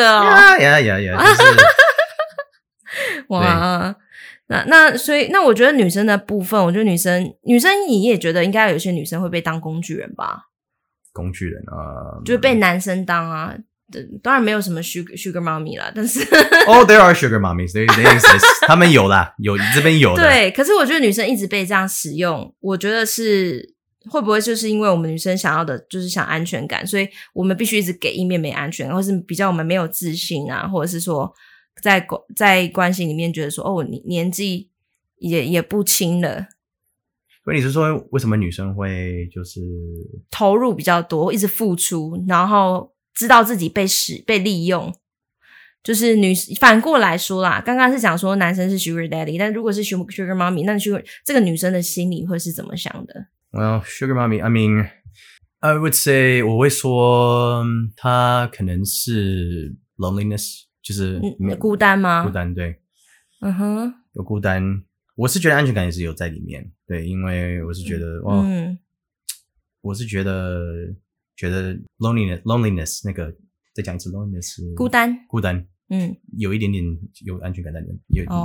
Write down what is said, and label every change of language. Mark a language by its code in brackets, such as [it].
[zh] 呀就是哇，那所以我觉得女生的部分，我觉得女生你也觉得应该有些女生会被当工具人吧，工具人就是被男生当啊，当然没有什么 sugar mommy 啦，但是 [en] oh there are sugar mommies， they exist 他们有啦，有这边有的， [zh] 对。可是我觉得女生一直被这样使用，我觉得是会不会就是因为我们女生想要的就是想安全感，所以我们必须一直给一面没安全感，或是比较我们没有自信啊，或者是说在关系里面觉得说年纪也不轻了。所以你是说为什么女生会就是投入比较多，一直付出，然后知道自己被利用，就是反过来说啦，刚刚是讲说男生是 sugar daddy， 但如果是 sugar mommy， 那 sugar 这个女生的心理会是怎么想的？ [en] Well， sugar mommy， I mean， I would say，我会说她可能是 loneliness，就是 [zh] 孤单吗？孤单，对，嗯哼，有孤单，我是觉得安全感也是有在里面，对，因为我是觉得我是觉得 loneliness 那个，再讲一次 loneliness，孤单，有一点点有安全感在里面，